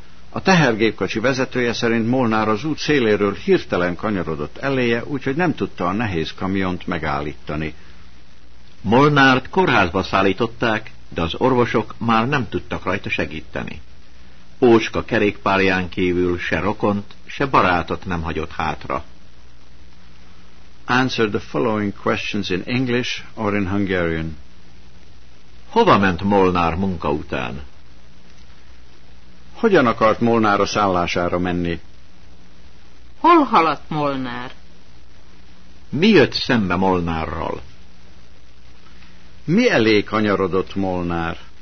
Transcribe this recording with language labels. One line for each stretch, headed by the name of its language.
Hungarian: A tehergépkocsi vezetője szerint Molnár az út széléről hirtelen kanyarodott eléje, úgyhogy nem tudta a nehéz kamiont megállítani. Molnárt kórházba szállították, de az orvosok már nem tudtak rajta segíteni. Ócska kerékpárján kívül se rokont, se barátot nem hagyott hátra.
English: Answer the following questions in English or in Hungarian.
Hungarian: Hova ment Molnár munka után? Hogyan akart Molnár a szállására menni? Hol haladt Molnár? Mi jött szembe Molnárral? Mi elé kanyarodott Molnár?